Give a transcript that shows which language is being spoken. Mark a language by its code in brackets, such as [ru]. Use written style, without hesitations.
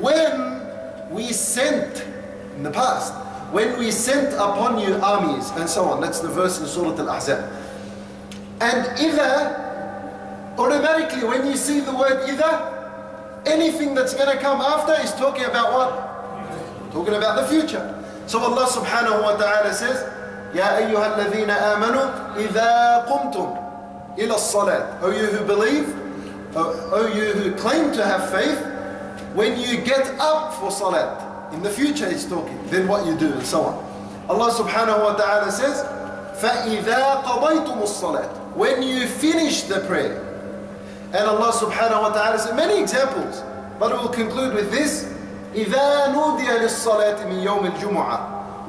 [en] When we sent, in the past, when we sent upon you armies, and so on. That's the verse in Surah Al-Ahzab. And إِذَا, automatically when you see the word إِذَا, anything that's gonna come after is talking about what? Talking about the future. So Allah subhanahu wa ta'ala says, [ar] يَا أَيُّهَا الَّذِينَ آمَنُوا إِذَا قُمْتُمْ إِلَى الصَّلَاةِ. [en] O you who believe, O you who claim to have faith, when you get up for salat, in the future he's talking, then what you do and so on. Allah subhanahu wa ta'ala says, [ar] فَإِذَا قَضَيْتُمُ الصَّلَاةِ. [en] When you finish the prayer. And Allah subhanahu wa ta'ala says, many examples, but we'll conclude with this, [ar] إِذَا نُودِيَ لِلصَّلَاةِ مِنْ يَوْمِ الْجُمُعَةِ.